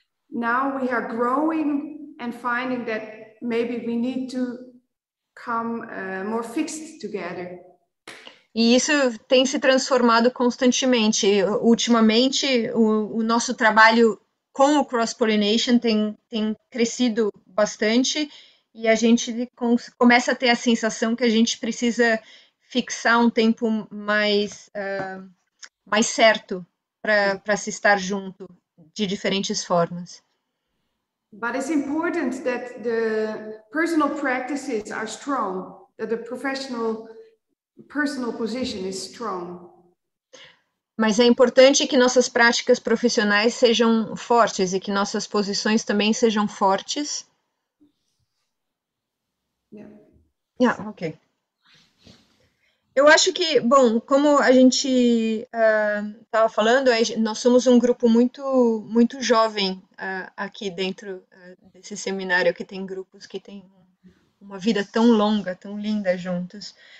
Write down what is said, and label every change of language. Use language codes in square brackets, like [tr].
[en] Now we are growing and finding that maybe we need to come more fixed together. [pt] E isso tem se transformado constantemente. Ultimamente, o nosso trabalho com o cross-pollination tem crescido bastante e a gente começa a ter a sensação que a gente precisa fixar um tempo mais certo para se estar junto de diferentes formas. [en] But it's important that the personal practices are strong, that the personal position is strong. [pt] Mas é importante que nossas práticas profissionais sejam fortes e que nossas posições também sejam fortes. [en] Yeah. Yeah, okay. [pt] Eu acho que, bom, como a gente estava falando, nós somos um grupo muito, muito jovem aqui dentro desse seminário, que tem grupos que têm uma vida tão longa, tão linda juntos.